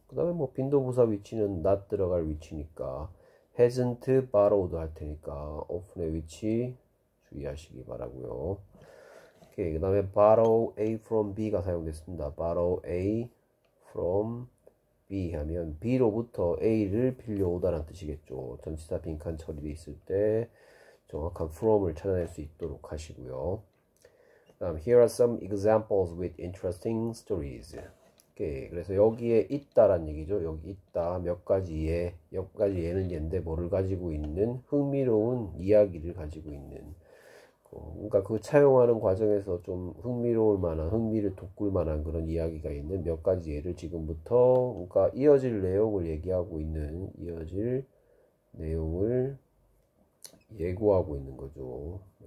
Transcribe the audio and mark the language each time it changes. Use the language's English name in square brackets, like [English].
[Korean] 그 다음에 뭐 빈도 부사 위치는 not 들어갈 위치니까 [English] hasn't borrowed [Korean] 할 테니까 often의 위치 주의하시기 바라고요. 오케이. 그 다음에 borrow A from B가 사용됐습니다. borrow A from B 하면 B로부터 A를 빌려오다라는 뜻이겠죠. 전치사 빈칸 처리돼 있을 때 정확한 from을 찾아낼 수 있도록 하시고요. [English] 다음, here are some examples with interesting stories. 오케이. [Korean] 그래서 여기에 있다란 얘기죠. 여기 있다. 몇 가지의, 몇 가지 예는 예인데 뭐를 가지고 있는 흥미로운 이야기를 가지고 있는. 그러니까 그 차용하는 과정에서 좀 흥미로울 만한, 흥미를 돋굴 만한 그런 이야기가 있는 몇 가지 예를 지금부터, 그러니까 이어질 내용을 얘기하고 있는, 이어질 내용을 예고하고 있는 거죠.